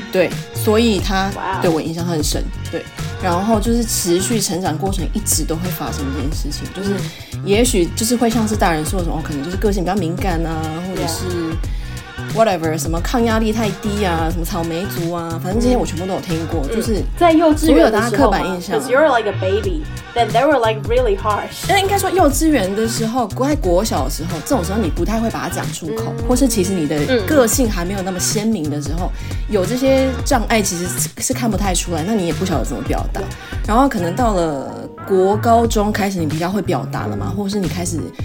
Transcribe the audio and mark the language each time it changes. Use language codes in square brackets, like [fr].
[zh] 对，所以他对我印象很深，对。然后就是持续成长过程一直都会发生这件事情，就是也许就是会像是大人说的什么，可能就是个性比较敏感啊，或者是。 whatever 什么抗压力太低啊，什么草莓族啊，反正这些我全部都有听过，就是在幼稚园的时候，所有大家刻板印象。 [en] Because you're like a baby, then they were like really harsh. [zh] 那应该说幼稚园的时候，在国小的时候，这种时候你不太会把它讲出口，或是其实你的个性还没有那么鲜明的时候，有这些障碍其实是看不太出来，那你也不晓得怎么表达。然后可能到了国高中开始，你比较会表达了嘛，或是你开始。